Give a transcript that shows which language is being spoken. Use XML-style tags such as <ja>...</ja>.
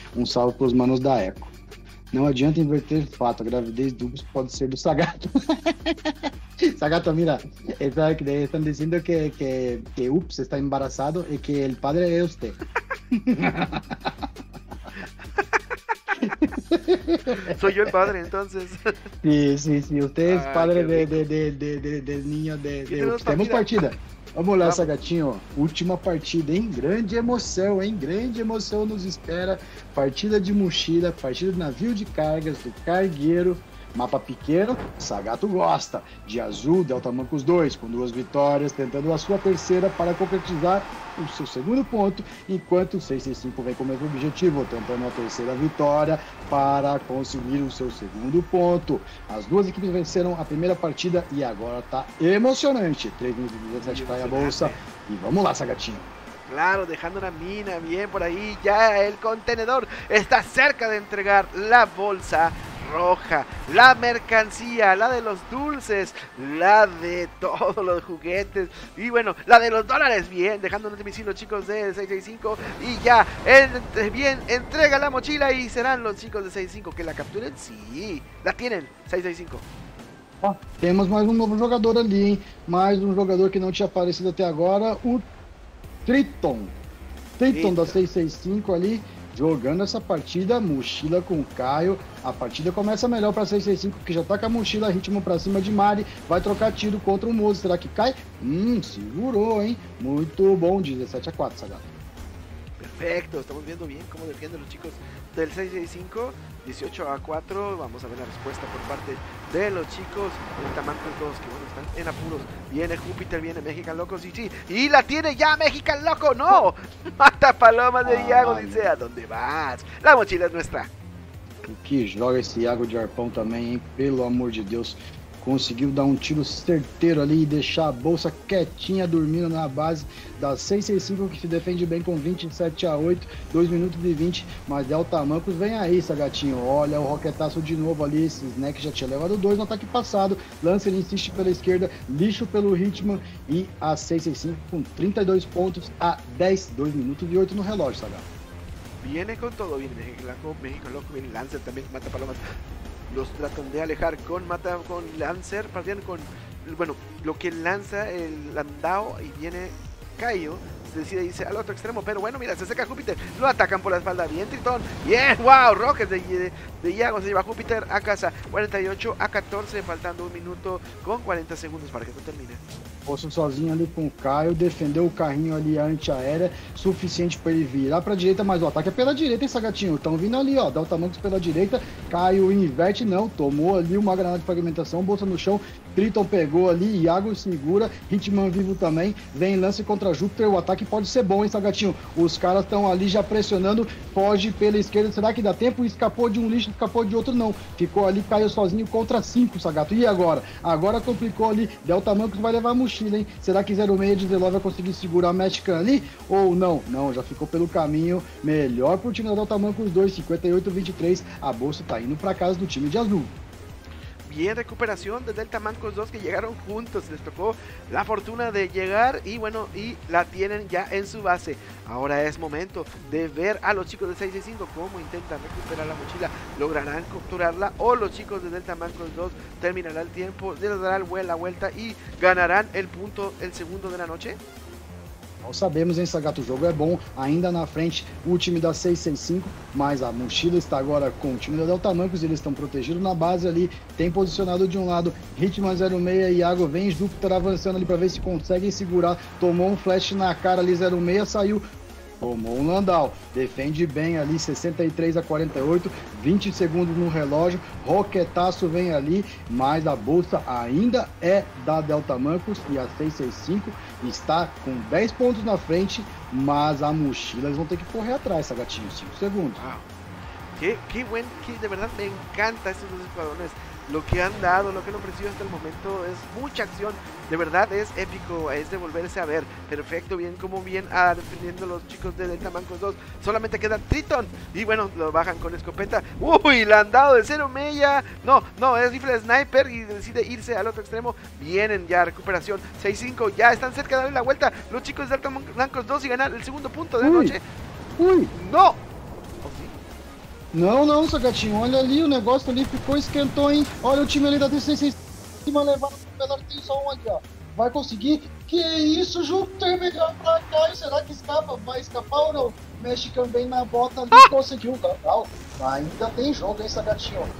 <pt>Um salve pros manos da Echo. Não adianta inverter fato. A gravidez dupla pode ser do Sagato. Sagato, mira. Estão dizendo que ups,</pt> <es>está embarazado</es> <pt>e que o padre é você.</pt> <es>Soy yo el padre, entonces. Sí, sí, sí. Usted es padre de niño de tenemos partida.</es> <pt>Vamos lá, Sagatinho. Última partida, hein? Grande emoção, hein? Grande emoção nos espera. Partida de mochila, partida de navio de cargas, do cargueiro. Mapa pequeno, Sagato gosta. De azul, Delta Mancos 2, com duas vitórias, tentando a sua terceira para concretizar o seu segundo ponto, enquanto o 665 vem com o mesmo objetivo, tentando a terceira vitória para conseguir o seu segundo ponto. As duas equipes venceram a primeira partida e agora está emocionante. 3.017 para a bolsa. E vamos lá, Sagatinho.</pt> <es>Claro, dejando una mina bien por ahí. Ya el contenedor está cerca de entregar la bolsa roja, la mercancía, la de los dulces, la de todos los juguetes y bueno, la de los dólares. Bien, dejando los misiles, chicos de 665, y ya, bien, entrega la mochila y serán los chicos de 665 que la capturen. Sí, la tienen, 665. Tenemos más un nuevo jugador allí, más un jugador que no te ha aparecido hasta ahora, Triton</es> <pt>da 665 ali, jogando essa partida, mochila com o Caio. A partida começa melhor para 665, que já tá com a mochila, ritmo para cima de Mari, vai trocar tiro contra o Mozo. Será que cai? Segurou, hein? Muito bom, 17-4, Sagato.</pt> <es>Perfecto, estamos viendo bien cómo defienden los chicos del 665, 18-4. Vamos a ver la respuesta por parte de los chicos del Tamanco 2, que bueno, están en apuros. Viene Júpiter, viene Mexican Loco, sí, sí, y la tiene ya Mexican Loco, no. Mata Paloma de Iago, dice: ¿a dónde vas? La mochila es nuestra.</es> <pt>Que joga esse Iago de arpão também, hein? Pelo amor de Deus. Conseguiu dar um tiro certeiro ali e deixar a bolsa quietinha dormindo na base da 665, que se defende bem com 27-8, 2 minutos e 20. Mas Delta Mancos vem aí, Sagatinho. Olha o roquetaço de novo ali. Esse Snack já tinha levado 2 no ataque passado. Lancer insiste pela esquerda, lixo pelo ritmo. E a 665 com 32 pontos a 10, 2 minutos e 8 no relógio, Sagatinho.</pt> <es>Viene con todo, viene México Loco, viene Lancer también, mata palomas. Los tratan de alejar con mata, con Lancer, partían con, bueno, lo que lanza el andao y viene Caio, se decide irse al otro extremo, pero bueno, mira, se seca Júpiter, lo atacan por la espalda, bien Tritón, bien, wow, Rocket de Iago se lleva a Júpiter a casa, 48-14, faltando un minuto con 40 segundos para que esto termine.</es> <pt>Posso sozinho ali com o Caio, defendeu o carrinho ali antiaérea, suficiente para ele virar para a direita, mas o ataque é pela direita, hein, Sagatinho? Estão vindo ali, ó, Delta Mancos pela direita, Caio inverte, não, tomou ali uma granada de fragmentação, bolsa no chão, Triton pegou ali, Iago segura, Hitman vivo também, vem lance contra Júpiter, o ataque pode ser bom, hein, Sagatinho? Os caras estão ali já pressionando, foge pela esquerda, será que dá tempo? Escapou de um lixo, escapou de outro, não, ficou ali, Caio sozinho contra 5, Sagato, e agora? Agora complicou ali, Delta Mancos vai levar mochila, hein? Será que 06 de Delove vai conseguir segurar a Mexican ali? Ou não? Não, já ficou pelo caminho. Melhor pro time da Delta Mancos 2, 58-23. A bolsa tá indo pra casa do time de azul.</pt> <es>Bien, recuperación de Delta Mancos 2, que llegaron juntos. Les tocó la fortuna de llegar y bueno, y la tienen ya en su base. Ahora es momento de ver a los chicos de 665 cómo intentan recuperar la mochila. ¿Lograrán capturarla o los chicos de Delta Mancos 2 terminarán el tiempo, les darán la vuelta y ganarán el punto, el segundo de la noche?</es> <pt>Não sabemos, hein, Sagato, o jogo é bom, ainda na frente o time da 665, mas a mochila está agora com o time da Delta Mancos, eles estão protegidos na base ali, tem posicionado de um lado, Ritmo 06, Iago vem, Júpiter avançando ali para ver se conseguem segurar, tomou um flash na cara ali, 06 saiu, tomou um landau, defende bem ali, 63-48, 20 segundos no relógio, roquetaço vem ali, mas a bolsa ainda é da Delta Mancos e a 665 está com 10 pontos na frente, mas a mochila, eles vão ter que correr atrás, Sagatinho, 5 segundos.</pt> <es>Que bueno, que de verdad me encanta</es> <pt>esses dois</pt> <es>escuadrones. lo que han dado, lo que han ofrecido hasta el momento, es mucha acción. De verdad es épico, es de volverse a ver. Perfecto, bien, como bien defendiendo los chicos de Delta Mancos 2. Solamente queda Triton. Y bueno, lo bajan con escopeta. Uy, le han dado de cero mella. No, no, es rifle sniper y decide irse al otro extremo. Vienen ya, recuperación. 6-5, ya están cerca de darle la vuelta. Los chicos de Delta Mancos 2 y ganar el segundo punto de la noche. Uy. No.</es> <pt>Não, não, seu gatinho, olha ali, o negócio ali ficou esquentou, hein? Olha o time ali da T66 em cima, levando o menor, tem só um ali, ó. Vai conseguir? Que isso, Júpiter, melhor pra cá, e será que escapa? Vai escapar ou não? Mexe também na bota ali, conseguiu, Gabriel. Ainda tem jogo, hein, seu gatinho?</pt>